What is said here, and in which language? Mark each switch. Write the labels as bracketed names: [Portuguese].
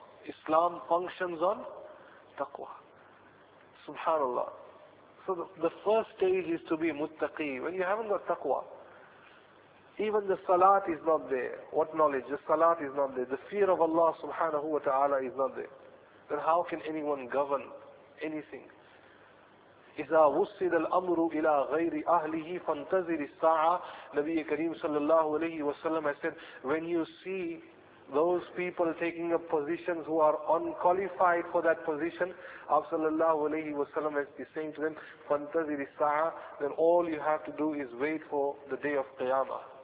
[English] Islam functions on taqwa. Subhanallah. So the first stage is to be muttaqi. When you haven't got taqwa, even the salat is not there. What knowledge? The salat is not there. The fear of Allah subhanahu wa ta'ala is not there. Then how can anyone govern anything? [Arabic] إذا وصل الأمر إلى غير أهله فانتظر الساعة. [English] Nabi Kareem sallallahu alayhi wa sallam has said, when you see those people taking up positions who are unqualified for that position, Abu sallallahu alayhi wa sallam has been saying to them, [Arabic] فانتظر الساعة, [English] then all you have to do is wait for the day of Qiyamah.